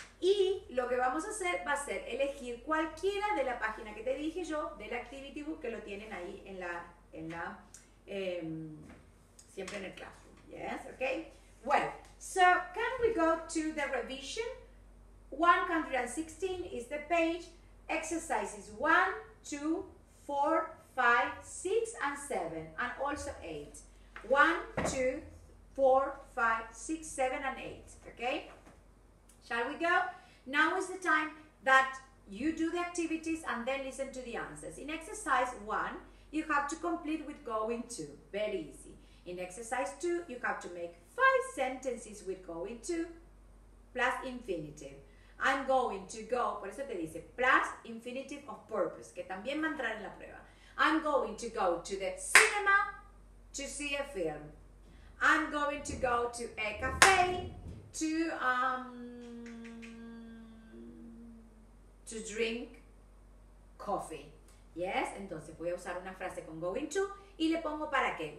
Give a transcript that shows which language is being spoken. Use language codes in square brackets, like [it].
[es] Y lo que vamos a hacer va a ser elegir cualquiera de la página que te dije yo, del activity book, que lo tienen ahí en la siempre en el classroom. [en] Yes? Okay? Well, so can we go to the revision? 116 is the page. Exercises 1, 2, 4, 5, 6, and 7, and also 8. 1, 2, 4, 5, 6, 7, and 8. Okay? Shall we go? Now is the time that you do the activities and then listen to the answers. In exercise 1, you have to complete with going to. Very easy. In exercise 2, you have to make 5 sentences with going to plus infinitive. I'm going to go, [es] por eso te dice, [en] plus infinitive of purpose, [es] que también va a entrar en la prueba. [en] I'm going to go to the cinema to see a film. I'm going to go to a cafe to drink coffee. Yes? [es] Entonces voy a usar una frase con going to y le pongo para qué.